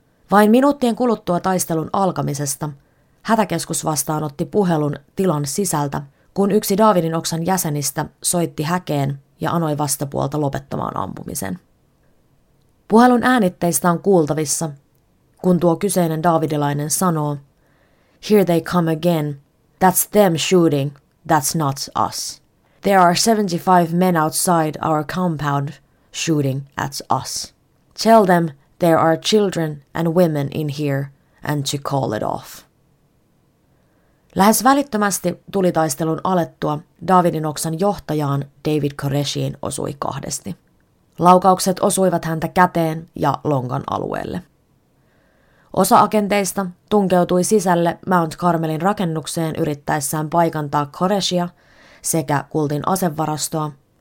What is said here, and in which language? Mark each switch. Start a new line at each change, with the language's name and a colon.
Finnish: Vain minuuttien kuluttua taistelun alkamisesta hätäkeskus vastaanotti puhelun tilan sisältä, kun yksi Davidin oksan jäsenistä soitti häkeen ja anoi vastapuolta lopettamaan ampumisen. Puhelun äänitteistä on kuultavissa, kun tuo kyseinen davidilainen sanoo,
English: "Here they come again. That's them shooting. That's not us. There are 75 men outside our compound shooting at us. Tell them there are children and women in here and to call it off."
Finnish: Lähes välittömästi tulitaistelun alettua Davidin oksan johtajaan David Koreshiin osui kahdesti. Laukaukset osuivat häntä käteen ja lonkan alueelle. Osa agenteista tunkeutui sisälle Mount Carmelin rakennukseen yrittäessään paikantaa Koreshia sekä kultin asevarastoa.